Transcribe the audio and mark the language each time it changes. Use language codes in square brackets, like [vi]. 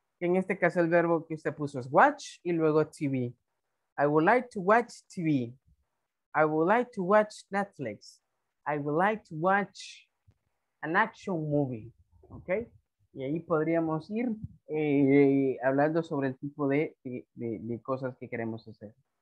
[es] En este caso el verbo que usted puso es watch y luego TV. [en] I would like to watch TV. I would like to watch Netflix. I would like to watch an action movie. ¿Ok? [es] Y ahí podríamos ir hablando sobre el tipo de cosas que queremos hacer.